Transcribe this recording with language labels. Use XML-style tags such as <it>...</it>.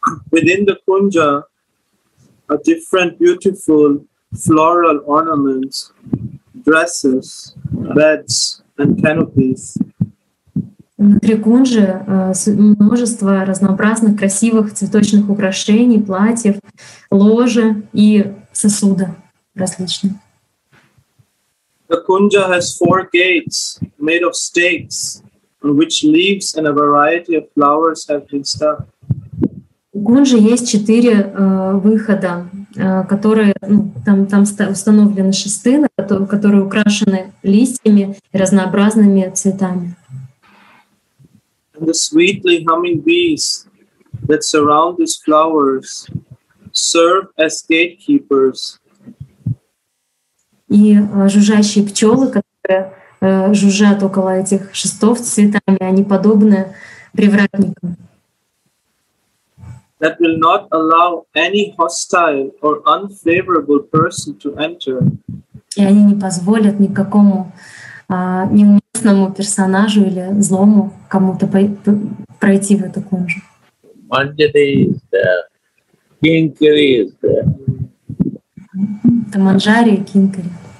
<en>Within the Kunja are different beautiful floral ornaments, dresses, beds, and canopies.</en> <ru>Внутри кунжи множество разнообразных красивых цветочных украшений, платьев, ложи и сосуды различные.</ru> <en>The kunja has four gates made of stakes on which leaves and a variety of flowers have been stuck.</en> <ru>У Гунжи есть четыре выхода, которые там установлены шесты, которые украшены листьями и разнообразными цветами.</ru> <en>And the sweetly humming bees that surround these flowers serve as gatekeepers.</en> <ru>И жужжащие пчелы, которые жужжат около этих шестов с цветами, они подобны привратникам.</ru> <en>that will not allow any hostile or unfavorable person to enter.</en> <ru>И они не позволят никакому неуместному персонажу или злому кому-то пройти в эту кунжу.</ru> <en>Манджари is there. Кинкари is there.</en> <ru>Это манджари и кинкари.</ru>